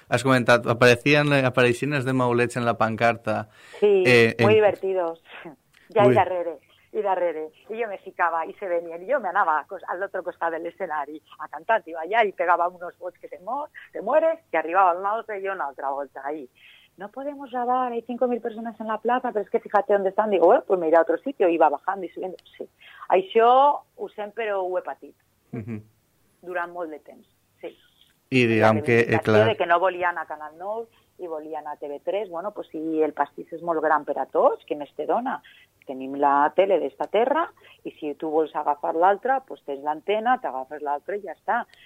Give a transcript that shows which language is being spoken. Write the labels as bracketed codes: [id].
[ca] Has comentat, apareixien els de Maulets en la pancarta. Sí, molt divertidos. Ja i darrere. I jo me ficava i se venien. Jo me anava a l'altre costat de l'escenari a cantar. I va allà i pegava uns vots que se mueres i arribava un altre i jo una altra volta ahí. [es] No podemos grabar, hay 5.000 personas en la plaza, pero es que fíjate dónde están. Digo, bueno, pues me iré a otro sitio, iba bajando y subiendo. [ca] Sí, això ho sent, però ho he patit. Durant molt de temps, sí. I diguem que, clar... De que no volien a Canal 9 i volien a TV3, bueno, pues si el pastís és molt gran per a tots, que més te dona? Tenim la tele d'esta terra i si tu vols agafar l'altra, pues tens l'antena, t'agafes l'altra i ja està.